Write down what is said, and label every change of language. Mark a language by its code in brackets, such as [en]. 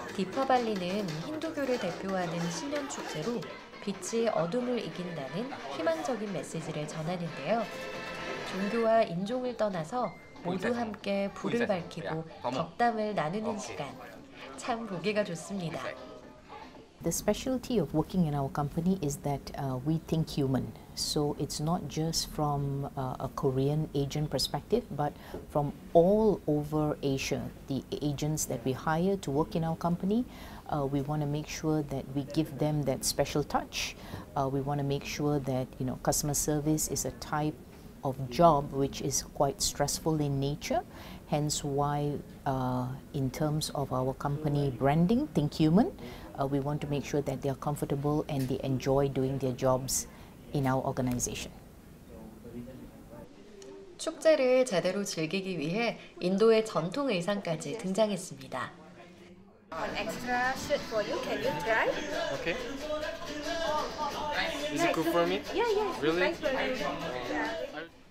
[ko] 디파벨리는 힌두교를 대표하는 신년 축제로 빛이 어둠을 이긴다는 희망적인 메시지를 전하는데요. 종교와 인종을 떠나서 모두 함께 불을 밝히고 덕담을 나누는 시간. 참 보기가 좋습니다. [en] The specialty of working in our company is that we think human. So it's not just from a Korean Asian perspective, but from all over Asia. The agents that we hire to work in our company, we want to make sure that we give them that special touch. We want to make sure that, you know, customer service is a type of job which is quite stressful in nature, hence why in terms of our company branding, Think Human, we want to make sure that they are comfortable and they enjoy doing their jobs in our organization. 축제를 제대로 즐기기 위해 인도의 전통 의상까지 등장했습니다. One extra shirt for you. Can you try? Okay. Is it good for me? Yeah, yeah. Really? Thanks for having me. Yeah.